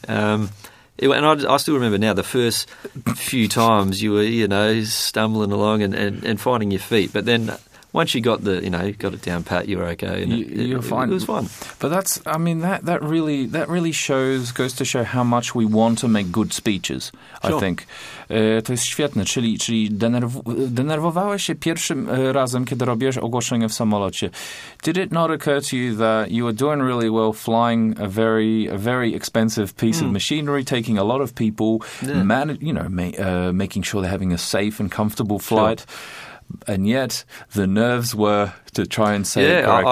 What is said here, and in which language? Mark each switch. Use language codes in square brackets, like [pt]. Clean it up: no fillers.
[en] I still remember now the first few times you were, you know, stumbling along and finding your feet. But then once you got got it down pat, you were okay. You're fine. It was fine. But that really goes to show how much we want to make good speeches, sure. I think. [pl] To jest świetne, czyli denerwowałeś się pierwszym razem, kiedy robisz ogłoszenie w samolocie. [en] Did it not occur to you that you were doing really well flying a very expensive piece of machinery, taking a lot of people, making sure they're having a safe and comfortable flight? Sure. And yet, the nerves were to try and say it correctly.